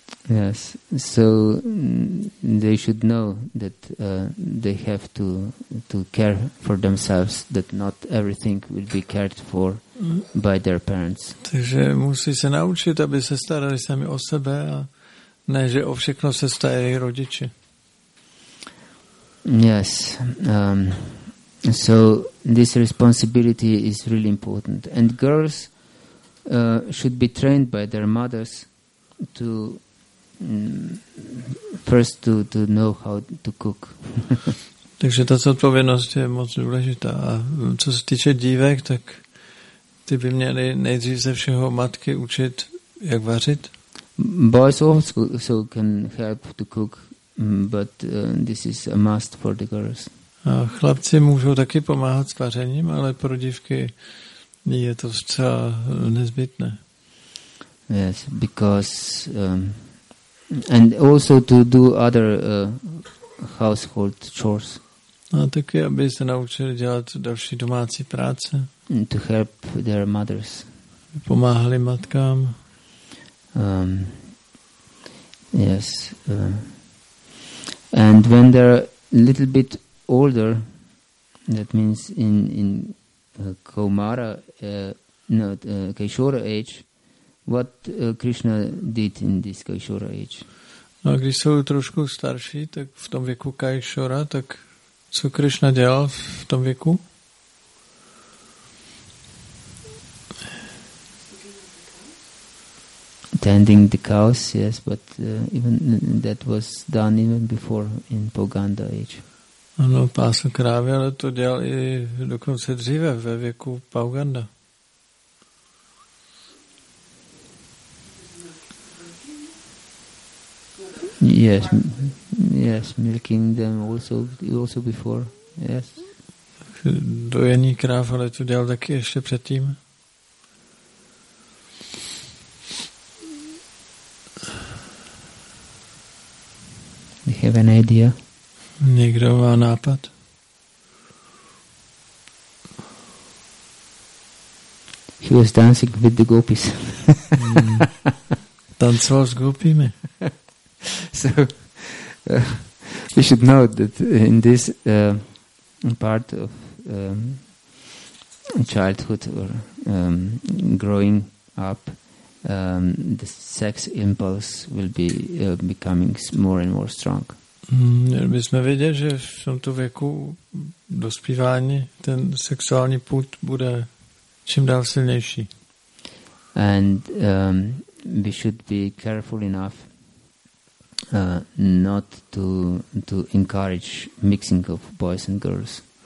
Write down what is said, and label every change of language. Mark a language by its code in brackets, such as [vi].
[en] Yes, so they should know that they have to care for themselves, that not everything will be cared for by their parents. [cs] Takže musí se naučit, aby se starali sami o sebe a ne, že o všechno se starají rodiče. [en] Yes, so this responsibility is really important. And girls should be trained by their mothers to first to know how to cook. [cs] Takže ta zodpovědnost je moc důležitá. A co se týče dívek, tak ty by měly nejdřív ze všeho matky učit, jak vařit. [en] Boys also can help to cook, but this is a must for the girls. [cs] A chlapci můžou taky pomáhat s vařením, ale pro dívky je to zcela nezbytné. [en] Yes, because and also to do other household chores. [cs] A taky, aby se naučili dělat další domácí práce. [en] And to help their mothers. [cs] Pomáhali matkám. [en] Yes. And when they're a little bit older, that means in Kaumara, not Kishora age, what Krishna did in this Kishora age? [cs] No, když jsou trošku starší, tak v tom věku Kishora, tak co Krishna dělal v tom věku? [en] Tending the cows, yes, but even that was done even before in Poganda age. [cs] Ano, pásl krávy, ale to dělal i dokonce dříve ve věku Poganda. [en] Yes, yes, milking them also before, yes. [cs] Dojení kráv, ale to dělal taky ještě předtím. [en] Do you have an idea? [cs] Někdo má nápad? [en] He was dancing with the gopis. [cs] Tancoval s gopimi. [en] So we should know that in this part of childhood or growing up, the sex impulse will be becoming more and more strong. [cs] Měli bychom vědět, že v tomto věku dospívání ten sexuální půd bude čím dál silnější. [en] And we should be careful enough not to encourage mixing of boys and girls.